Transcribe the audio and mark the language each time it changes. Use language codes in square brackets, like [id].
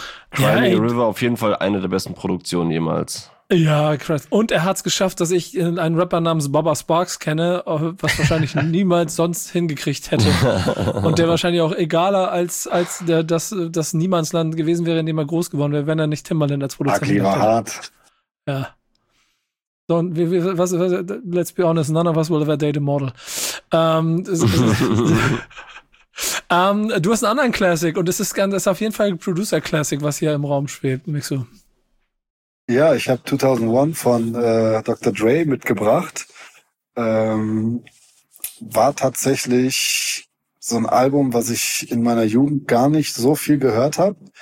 [de] Crying in the River, auf jeden Fall eine der besten Produktionen jemals. Ja, krass. Und er hat es geschafft, dass ich einen Rapper namens Bubba Sparxxx kenne, was wahrscheinlich niemals sonst hingekriegt hätte. Und der wahrscheinlich auch egaler als der, das Niemandsland gewesen wäre, in dem er groß geworden wäre, wenn er nicht Timbaland als Produzent hätte. Ugly Heart. Ja. So, was, [en] let's be honest, none of us will ever date a model. [de] du hast einen anderen Classic und das ist auf jeden Fall ein Producer Classic, was hier im Raum schwebt, Mixu. Ja, ich habe 2001 von Dr. Dre mitgebracht. War tatsächlich so ein Album, was ich in meiner Jugend gar nicht so viel gehört habe.